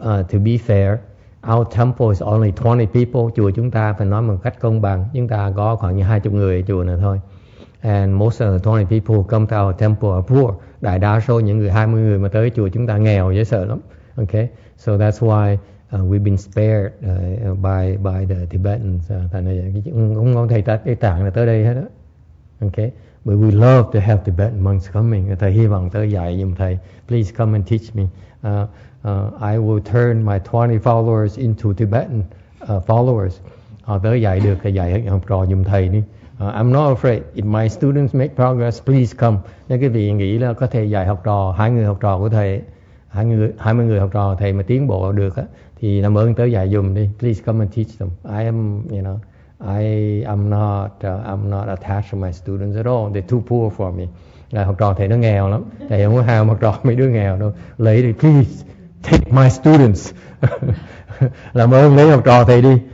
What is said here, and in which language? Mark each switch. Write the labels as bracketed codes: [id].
[en] To be fair, our temple is only 20 people. [vi] Chùa chúng ta phải nói một cách công bằng, chúng ta có khoảng như 20 người ở chùa này thôi. [en] And most of the 20 people who come to our temple are poor. [vi] Đại đa số những người 20 người mà tới chùa chúng ta nghèo dễ sợ lắm. [en] Okay, so that's why we've been spared by the Tibetans. [vi] Thành ra cũng không thấy Tây Tạng là tới đây hết đó. [en] Okay, but we love to have Tibetan monks coming. [vi] Thầy hy vọng tới dạy giùm thầy. [en] Please come and teach me. I will turn my 20 followers into Tibetan followers. [vi] Tới dạy được thì dạy trò giùm thầy đi. [en] I'm not afraid. If my students make progress, please come. [vi] Nếu quý vị nghĩ là có thể dạy học trò, hai người học trò của thầy, hai mươi người học trò thầy mà tiến bộ được á, thì làm ơn tới dạy dùm đi. [en] Please come and teach them. I am, you know, I'm not attached to my students at all. They're too poor for me. [vi] Là học trò thầy nó nghèo lắm. Thầy không có hào học trò mấy đứa nghèo đâu. Lấy đi, [en] please take my students. [vi] Làm ơn lấy học trò thầy đi.